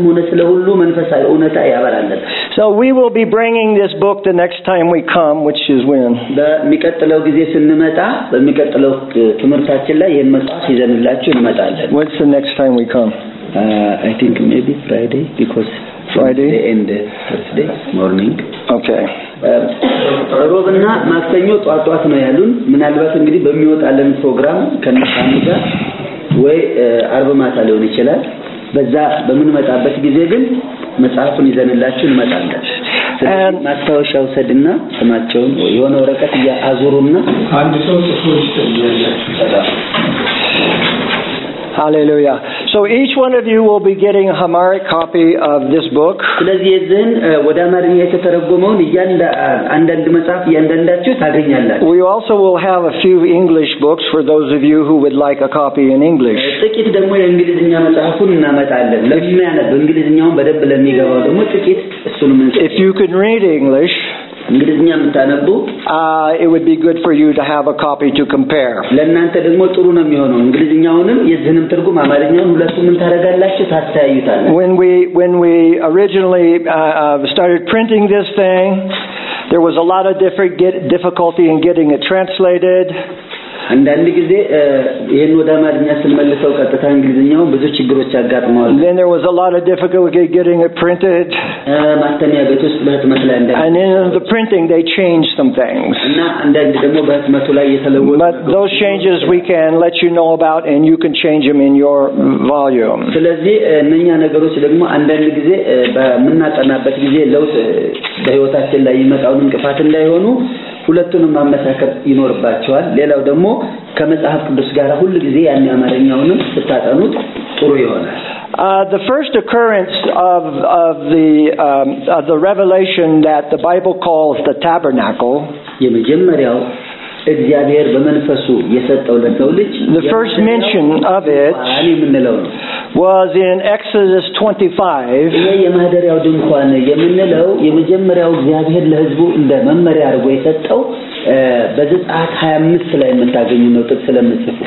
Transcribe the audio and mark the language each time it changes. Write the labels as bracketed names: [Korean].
[English] So we will be bringing this book the next time we come, which is when? What's the next time we come? I think maybe Friday, because Friday and Thursday morning. Okay. [Amharic] ሮብና ማክሰኞ ጧጧት ነው ያሉን። ምናልባት እንግዲህ በሚወጣለን ፕሮግራም ከነካንጋ ወይ አርብ ማታ ሊሆን ይችላል። በዛ በምንመጣበት ጊዜ ግን መጻፍን ይዘንላችሁን መጣለን። ማስተዋሻው ሰድና ስማቸው የሆነ ወረቀት ያዙሩና አንድ ሰው ጽፎልሽ ይችላል። ሃሌሉያ። [English] So each one of you will be getting a Amharic copy of this book. [Amharic] ስለዚህ ይህን ወደ አማርኛ የተተረጎመውን እያንዳንዱ መጽሐፍ እያንዳንዳችሁ ታገኛላችሁ። [English] We also will have a few English books for those of you who would like a copy in English. [Amharic] ጥቂት ደግሞ የእንግሊዝኛ መጽሐፉን እናመጣለን። ለሚያነብ እንግሊዝኛውን በደንብ ለሚገባው ደግሞ ጥቂት እሱን መንሰ [English] If you can read English, [Amharic] እንግሊዝኛ የምታነቡ [English] it would be good for you to have a copy to compare. [Amharic] ለእናንተ ደግሞ ጥሩ ነው የሚሆነው እንግሊዝኛውንም የዚህንም ትርጉም አማርኛውን ሁለቱም እንታረጋላችሁ ታስተያዩታለህ። [English] When we originally started printing this thing, there was a lot of difficulty in getting it translated. [Amharic] አንዳንድ ጊዜ ይሄን ወደ አማርኛ ስንመልሰው ቀጥታ እንግሊዝኛውን ብዙ ችግሮች አጋጥመዋል። [English] Then there was a lot of difficulty getting it printed. [Amharic] ማተሚያ ቤት ውስጥ በህትመት ላይ እንዳለ [English] And in the printing they changed some things. [Amharic] እና አንዳንድ ደግሞ በህትመቱ ላይ የተለወጡ [English] But those changes we can let you know about and you can change them in your volume. [Amharic] ስለዚህ እነኛ ነገሮች ደግሞ አንዳንድ ጊዜ በመናጠናበት ጊዜ ለውጥ በህይወታችን ላይ ይመጣውን እንቅፋት እንዳይሆኑ ሁለቱንም ማመሳከር ይኖርባቸዋል። ሌላው ደግሞ ከመጽሐፍ ቅዱስ ጋር ሁሉ ጊዜ ያን ያማረኛውንም ስታጠኑት ጥሩ ይሆናል። [English] The first occurrence of the revelation that the Bible calls the tabernacle. [Amharic] የመጀመሪያው እግዚአብሔር በመንፈሱ የሰጠው ለሰው ልጅ [English] The first mention of it was in Exodus 25. [Amharic] የማደሪያው ድንኳን የምንለው የመጀመሪያው እግዚአብሔር ለሕዝቡ እንደ መመሪያ አድርጎ የሰጠው በዘጸአት 25 ላይ መታገኙ ነው ጥቅስ ስለምጽፍ